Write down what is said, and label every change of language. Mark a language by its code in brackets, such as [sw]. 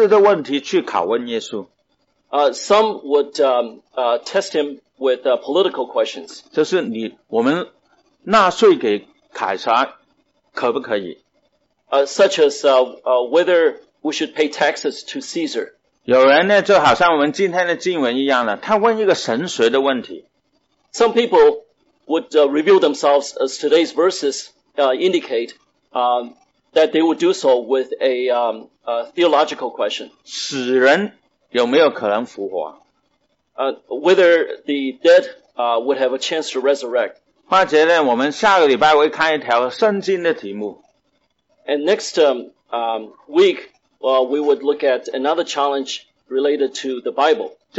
[zh] 有人用政治的问题去拷问耶稣。 [en] Some would test him with political questions. [zh] 就是我们纳税给 凯撒可不可以？ [en] Such as whether we should pay taxes to Caesar. [zh] 有人呢，就好像我们今天的经文一样了，他问一个神谁的问题。 [en] Some people would reveal themselves as today's verses indicate that they would do so with a theological question. [zh] 死人有没有可能复活？ [en] Whether the dead would have a chance to resurrect. [zh] 或者呢，我们下个礼拜会看一条圣经的题目。 [en] And next week, we would look at another challenge related to the Bible.